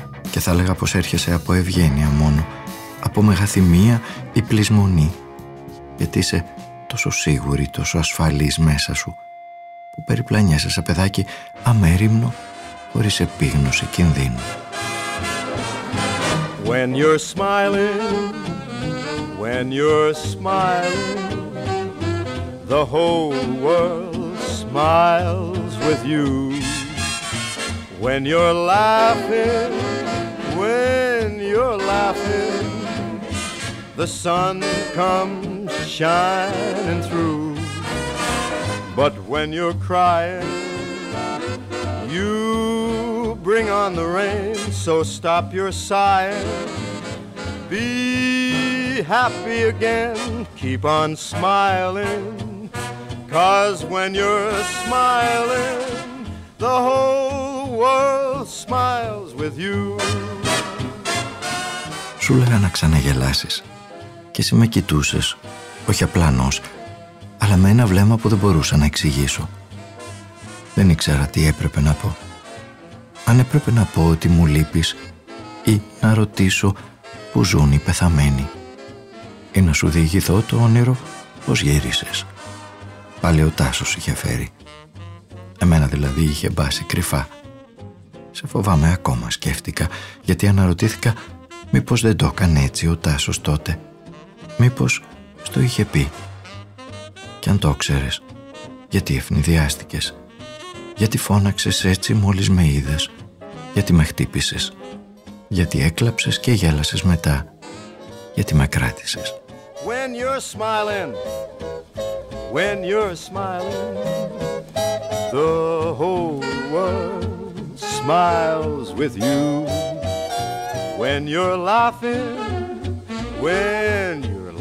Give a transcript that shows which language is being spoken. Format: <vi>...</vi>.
<el>Και θα έλεγα πως έρχεσαι από ευγένεια μόνο, από μεγαθυμία ή πλεισμονή, γιατί είσαι τόσο σίγουρη, τόσο ασφαλής μέσα σου, που περιπλανιέσαι σε παιδάκι αμέριμνο, χωρίς επίγνωση κινδύνου.</el> <en>When you're smiling, when you're smiling, the whole world smiles with you. When you're laughing, when you're laughing, the sun comes shining through. But when you're crying, you bring on the rain. So stop your sighing, be happy again, keep on smiling. 'Cause when you're smiling, the whole world smiles with you.</en> <el>Σου λέγα να ξαναγελάσεις και εσύ με κοιτούσες, όχι απλανώς, αλλά με ένα βλέμμα που δεν μπορούσα να εξηγήσω. Δεν ήξερα τι έπρεπε να πω. Αν έπρεπε να πω ότι μου λείπεις, ή να ρωτήσω που ζουν οι πεθαμένοι, ή να σου διηγηθώ το όνειρο πως γύρισες. Πάλι ο Τάσος είχε φέρει. Εμένα δηλαδή είχε μπάσει κρυφά. Σε φοβάμαι ακόμα, σκέφτηκα, γιατί αναρωτήθηκα μήπως δεν το έκανε έτσι ο Τάσος τότε. Μήπως στο είχε πει. Κι αν το ξέρες, γιατί ευνηδιάστηκες. Γιατί φώναξες έτσι μόλις με είδες. Γιατί με χτύπησες. Γιατί έκλαψες και γέλασες μετά. Γιατί με κράτησες.</el> <en>When you're smiling, when you're smiling, the whole world smiles with you. When you're laughing, when you're</en>